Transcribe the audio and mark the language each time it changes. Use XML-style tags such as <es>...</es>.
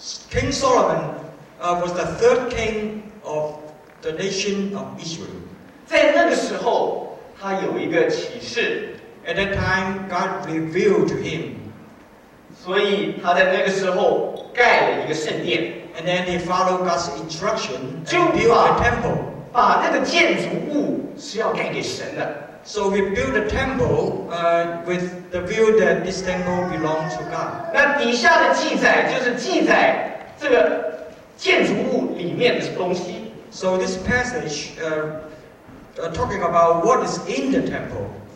<en>King Solomon was the third king of the nation of Israel.</en> <zh>在那个时候，他有一个启示。</zh> <en>At that time, God revealed to him.</en> <zh>所以他在那个时候盖了一个圣殿。</zh> <en>And then he followed God's instruction and built a temple.</en> <zh>把那个建筑物是要盖给神的。</zh> <en>So we built a temple with the view that this temple belonged to God.</en> <zh>那底下的记载就是记载这个建筑物里面的东西。</zh> <en>So this passage talking about what is in the temple.</en>